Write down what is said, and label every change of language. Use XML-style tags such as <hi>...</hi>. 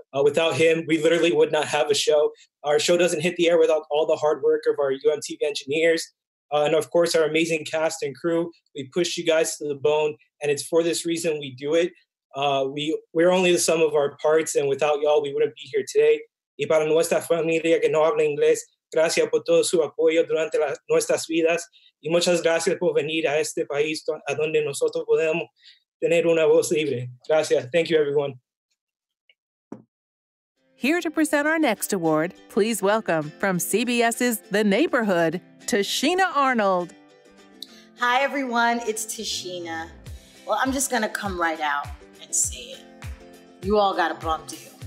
<en>Without him, we literally would not have a show. Our show doesn't hit the air without all the hard work of our UMTV engineers. And of course, our amazing cast and crew, we push you guys to the bone, and it's for this reason we do it. We're only the sum of our parts, and without y'all, we wouldn't be here today.</en> <es>Y para nuestra familia que no habla inglés, gracias por todo su apoyo durante nuestras vidas, y muchas gracias por venir a este país a donde nosotros podemos tener una voz libre. Gracias.</es> <en>Thank you, everyone. Here to present our next award, please welcome from CBS's The Neighborhood, Tashina Arnold. Hi, everyone. It's Tashina. Well, I'm just going to come right out and say it. You all got a bum deal.</en>